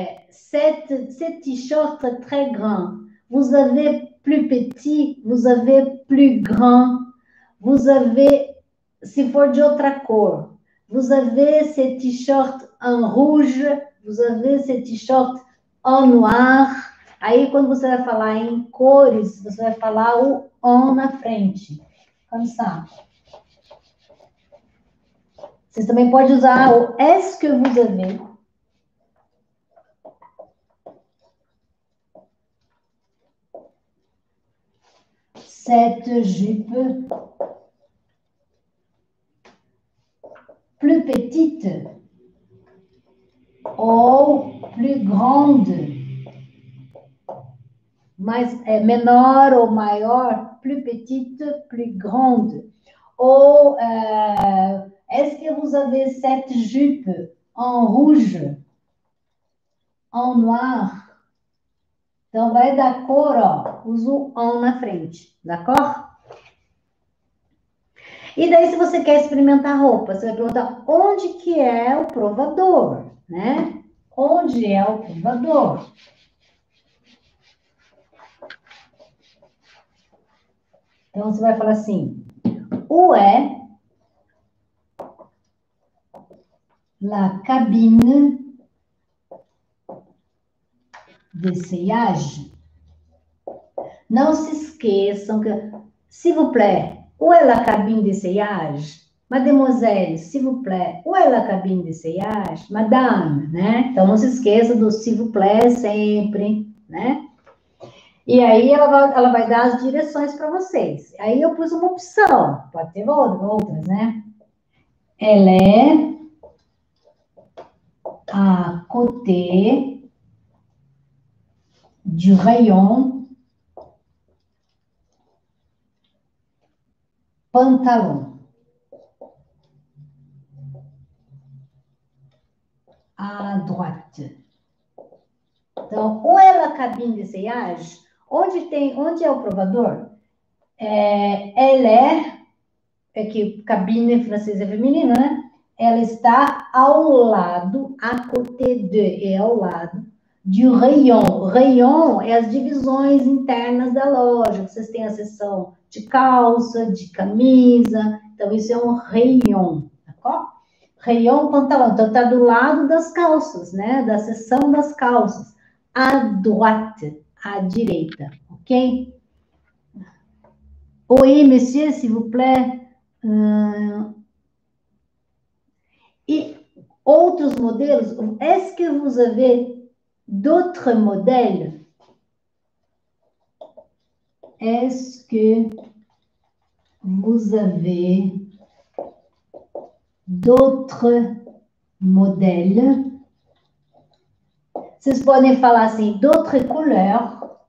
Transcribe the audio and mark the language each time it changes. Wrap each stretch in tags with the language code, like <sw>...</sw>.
<fr>Cet t-shirt est très grand. Vous avez plus petit, vous avez plus grand. Vous avez,</fr> <pt>se for de outra cor,</pt> <fr>vous avez cet t-shirt en rouge, vous avez cet t-shirt en noir.</fr> <pt>Aí, quando você vai falar em cores, você vai falar o on na frente. Vamos lá. Vocês também podem usar o</pt> <fr>est-ce que vous avez. Cette jupe plus petite ou plus grande, mais</fr> <pt>é menor ou maior,</pt> <fr>plus petite, plus grande. Ou est-ce que vous avez cette jupe en rouge, en noir?</fr> <pt>Então, vai da cor, ó, usa o on na frente, d'accord? E daí, se você quer experimentar roupa, você vai perguntar onde que é o provador, né? Onde é o provador? Então, você vai falar assim:</pt> <fr>Où est la cabine d'essayage?</fr> <pt>Não se esqueçam que,</pt> <fr>s'il vous plaît, où est la cabine d'essayage? Mademoiselle, s'il vous plaît, où est la cabine d'essayage?</fr> <pt>Madame, né? Então, não se esqueça do s'il vous plaît sempre, né? E aí, ela vai dar as direções para vocês. Aí, eu pus uma opção, pode ter outras, né?</pt> <fr>Elle à côté du rayon pantalon, à droite.</fr> <pt>Então, ou é a cabine de ceiage, onde é o provador? É que cabine em francês é feminino, né? Ela está ao lado, à côté de, é ao lado, de rayon. Rayon é as divisões internas da loja. Vocês têm a seção de calça, de camisa. Então, isso é um rayon, tá bom? Rayon pantalão. Então, tá do lado das calças, né? Da seção das calças.</pt> <fr>À droite,</fr> <pt>à direita, ok?</pt> <fr>Oi, monsieur, s'il vous plaît.</fr> <pt>E outros modelos,</pt> <fr>est-ce que vous avez d'autres modèles? Est-ce que vous avez d'autres modèles?</fr> <pt>Vocês podem falar assim,</pt> <fr>d'autres couleurs.</fr>